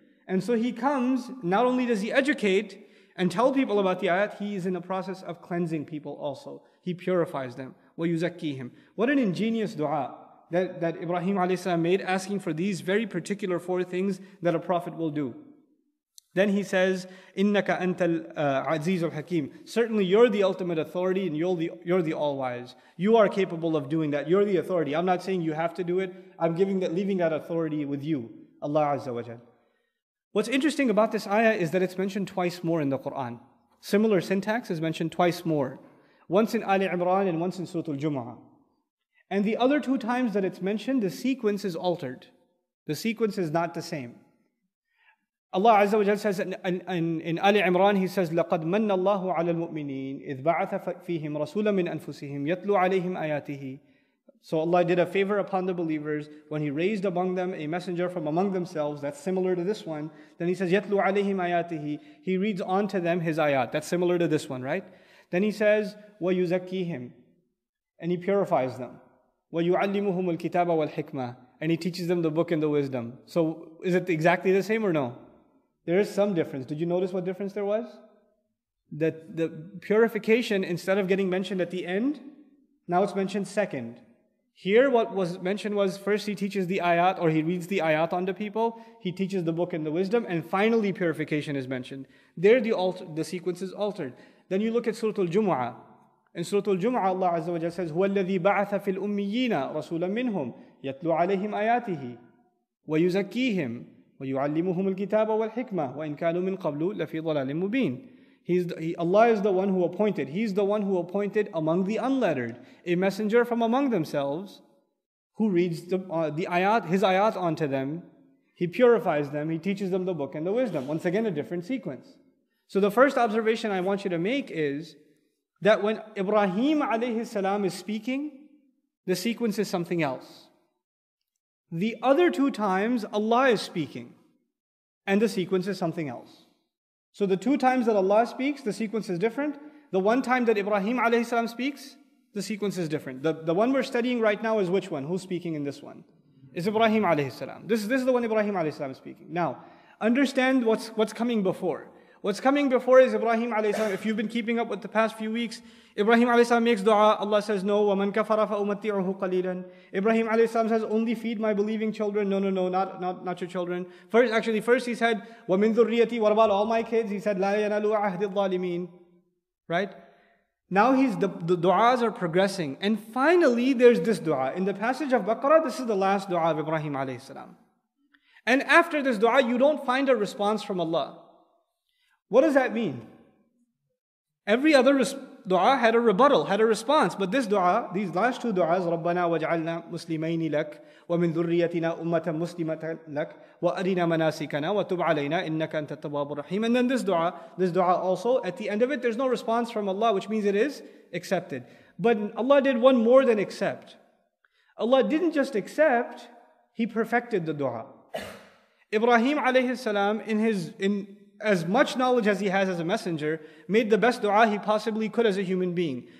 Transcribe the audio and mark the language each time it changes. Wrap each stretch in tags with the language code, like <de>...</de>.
<en>And so he comes, not only does he educate and tell people about the ayat, he is in the process of cleansing people also. He purifies them.</en> <ar>وَيُزَكِّيهِمْ.</ar> <en>What an ingenious dua that Ibrahim alayhi salam made, asking for these very particular four things that a prophet will do. Then he says,</en> <ar>إِنَّكَ أَنْتَ الْعَزِيزُ الْحَكِيمُ.</ar> <en>Certainly you're the ultimate authority and you're the all-wise. You are capable of doing that. You're the authority. I'm not saying you have to do it. I'm leaving that authority with you. Allah Azza wa Jal. What's interesting about this ayah is that it's mentioned twice more in the Qur'an. Similar syntax is mentioned twice more. Once in Ali Imran and once in Surah Al-Jumu'ah. And the other two times that it's mentioned, the sequence is altered. The sequence is not the same. Allah Azza wa Jalla says in Ali Imran, he says,</en> <ar>لَقَدْ مَنَّ اللَّهُ عَلَى الْمُؤْمِنِينَ إِذْ بَعَثَ فِيهِمْ رَسُولًا مِنْ أَنفُسِهِمْ يَتْلُوا عَلَيْهِمْ آيَاتِهِ.</ar> <en>So Allah did a favor upon the believers when He raised among them a messenger from among themselves that's similar to this one. Then He says,</en> <ar>يَتْلُوا عَلَيْهِمْ آيَاتِهِ.</ar> <en>He reads onto them His ayat. That's similar to this one, right? Then He says,</en> <ar>وَيُزَكِّيهِمْ.</ar> <en>And He purifies them.</en> <ar>وَيُعَلِّمُهُمُ الْكِتَابَ وَالْحِكْمَةِ.</ar> <en>And He teaches them the book and the wisdom. So is it exactly the same or no? There is some difference. Did you notice what difference there was? That the purification, instead of getting mentioned at the end, now it's mentioned second. Here what was mentioned was, first He teaches the ayat, or He reads the ayat on the people, He teaches the book and the wisdom, and finally purification is mentioned. There the sequence is altered. Then you look at Surah Al-Jumu'ah. In Surah Al-Jumu'ah, Allah Azza wa Jalla says,</en> <ar>هُوَ الَّذِي بَعَثَ فِي الْأُمِّيِّينَ رَسُولًا مِّنْهُمْ يَتْلُوا عَلَيْهِمْ آيَاتِهِ وَيُزَكِّيهِمْ وَيُعَلِّمُهُمُ الْكِتَابَ وَالْحِكْمَةَ وَإِنْ كَانُوا مِنْ قَبْلُ لَفِي ضَلَالٍ مُبِينٍ.</ar> <en>Allah is the one who appointed. He's the one who appointed among the unlettered a messenger from among themselves who reads his ayat onto them. He purifies them. He teaches them the book and the wisdom. Once again, a different sequence. So the first observation I want you to make is that when Ibrahim alayhi salam is speaking, the sequence is something else. The other two times, Allah is speaking, and the sequence is something else. So the two times that Allah speaks, the sequence is different. The one time that Ibrahim alayhi salam speaks, the sequence is different. The one we're studying right now is which one? Who's speaking in this one? It's Ibrahim alayhi salam. This is the one Ibrahim alayhi salam is speaking. Now, understand what's coming before. What's coming before is Ibrahim alayhi salam. If you've been keeping up with the past few weeks, Ibrahim alayhi salam makes dua. Allah says, no,</en> <ar>وَمَنْ كَفَرَ فَأُمَتِّعُهُ قَلِيلًا.</ar> <en>Ibrahim alayhi salam says, only feed my believing children. No, not your children. First he said,</en> <ar>وَمِنْ ذُرِّيَّتِي.</ar> <en>What about all my kids? He said,</en> <ar>لَا يَنَلُوا عَهْدِ الظَّالِمِينَ.</ar> <en>Right? Now the du'as are progressing. And finally, there's this dua. In the passage of Baqarah, this is the last dua of Ibrahim alayhi salam. And after this dua, you don't find a response from Allah. What does that mean? Every other dua had a rebuttal, had a response. But this dua, these last two duas,</en> <ar>رَبَّنَا وَجْعَلْنَا مُسْلِمَيْنِ لَكْ وَمِنْ ذُرِّيَّتِنَا أُمَّةً مُسْلِمَةً لَكْ وَأَرِنَا مَنَاسِكَنَا وَتُبْ عَلَيْنَا إِنَّكَ أَنْتَ التَّوَّابُ الرَّحِيمُ.</ar> <en>And then this dua also, at the end of it, there's no response from Allah, which means it is accepted. But Allah did one more than accept. Allah didn't just accept, He perfected the dua. Ibrahim alayhi salam, as much knowledge as he has as a messenger, made the best dua he possibly could as a human being.</en>